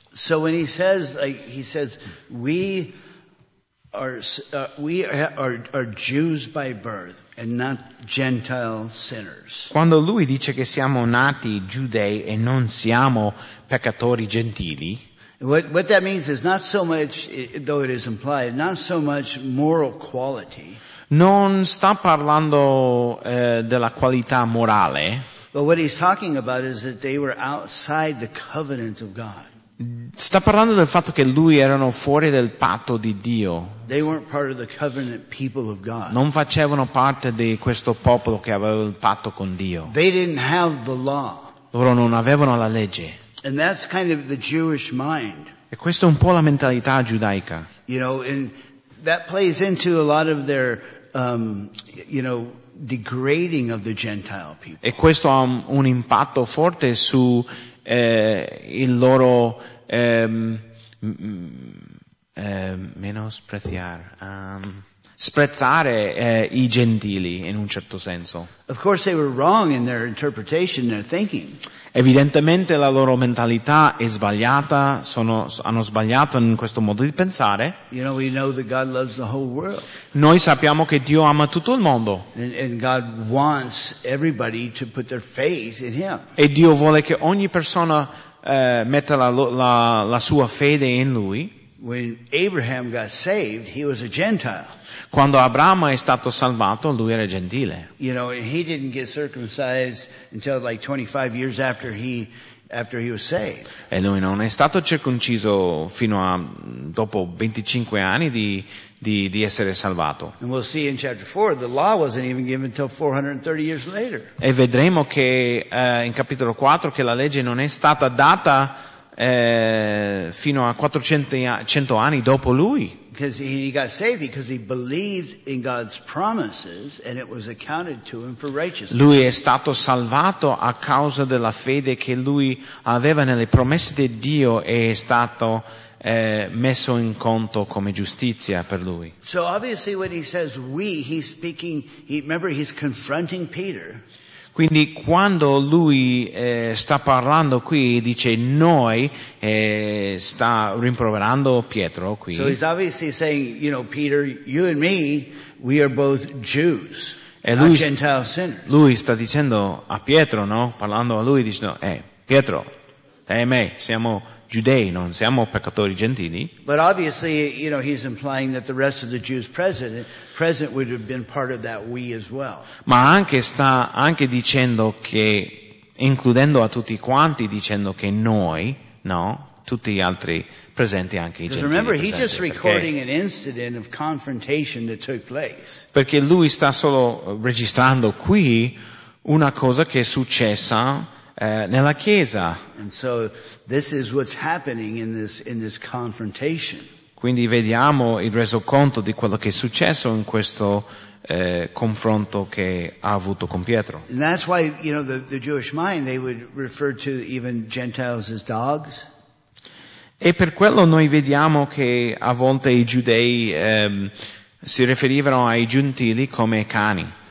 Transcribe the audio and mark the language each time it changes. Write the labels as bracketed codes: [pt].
[en] So when he says we are Jews by birth and not Gentile sinners. [it] Quando lui dice che siamo nati giudei e non siamo peccatori gentili, [en] what that means is not so much, though it is implied, not so much moral quality. [it] Non sta parlando della qualità morale. [en] But what he's talking about is that they were outside the covenant of God. [it] Sta parlando del fatto che lui erano fuori del patto di Dio. [en] They weren't part of the covenant people of God. [it] Non facevano parte di questo popolo che aveva il patto con Dio. [en] They didn't have the law. [it] Loro non avevano la legge. [en] And that's kind of the Jewish mind. [it] E questa è un po' la mentalità giudaica. [en] You know, and that plays into a lot of their, you know, degrading of the Gentile people. [it] E questo ha un impatto forte su il loro sprezzare I gentili in un certo senso. [en] Of course they were wrong in their interpretation, their thinking. [it] Evidentemente la loro mentalità è sbagliata, hanno sbagliato in questo modo di pensare. [en] You know, we know that God loves the whole world. [it] Noi sappiamo che Dio ama tutto il mondo. [en] And God wants everybody to put their faith in Him. [it] E Dio vuole che ogni persona metta la sua fede in Lui. [en] When Abraham got saved, he was a Gentile. [it] Quando Abramo è stato salvato, lui era gentile. [en] You know, he didn't get circumcised until like 25 years after he was saved. [it] E lui non è stato circonciso fino a dopo 25 anni di essere salvato. [en] And we'll see in chapter 4, the law wasn't even given until 430 years later. [it] E vedremo che in capitolo 4 che la legge non è stata data fino a 400 anni dopo lui. [en] Because he got saved because he believed in God's promises and it was accounted to him for righteousness. [it] Lui è stato salvato a causa della fede che lui aveva nelle promesse di Dio e è stato messo in conto come giustizia per lui. [en] So obviously when he says we, he's speaking, remember he's confronting Peter. [it] Quindi quando lui sta parlando qui, dice noi, sta rimproverando Pietro qui. [en] So he's obviously saying, you know, Peter, you and me, we are both Jews. [it] E lui, [en] not Gentile sinners. [it] Lui sta dicendo a Pietro, no? Parlando a lui, dice, Pietro, te e me, siamo giudei, non siamo peccatori gentili. [en] But obviously, you know, he's implying that the rest of the Jews present would have been part of that we as well. [it] Ma anche sta anche dicendo che, includendo a tutti quanti, dicendo che noi, no, tutti gli altri presenti, anche i gentili. [en] Remember, [it] presenti, [en] he's just recording an incident of confrontation that took place. [it] Perché lui sta solo registrando qui una cosa che è successa nella chiesa. [en] And so this is what's happening in this confrontation. [it] Quindi vediamo il resoconto di quello che è successo in questo confronto che ha avuto con Pietro. [en] And that's why, you know, the Jewish mind, they would refer to even Gentiles as dogs. [it] E per quello noi vediamo che a volte i giudei si riferivano ai gentili come cani.